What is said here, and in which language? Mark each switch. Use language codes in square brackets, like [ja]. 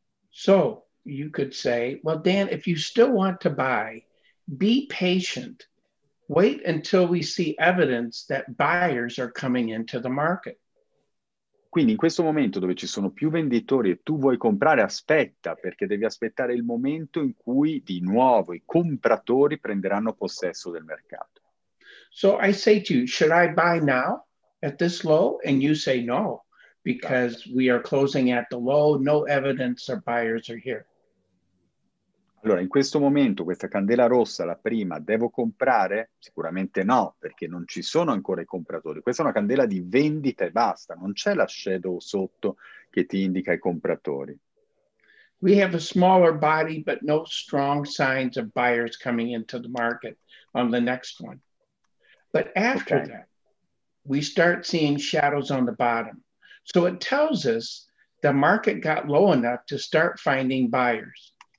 [en] So you could say, well, Dan, if you still want to buy, be patient. Wait until we see evidence that buyers are coming into the market. [it] Quindi in questo momento dove ci sono più venditori e tu vuoi comprare, aspetta, perché devi aspettare il momento in cui di nuovo i compratori prenderanno possesso del mercato. [en] So I say to you, should I buy now at this low? And you say no. Because we are closing at the low, no evidence our buyers are here. [it] Allora, in questo momento, questa candela rossa, la prima, devo comprare? Sicuramente no, perché non ci sono ancora i compratori. Questa è una candela di vendita e basta. Non c'è la shadow sotto che ti indica i compratori. [en] We have a smaller body, but no strong signs of buyers coming into the market on the next one. But after okay. that, we start seeing shadows on the bottom. So it tells us the market got low enough to start finding buyers.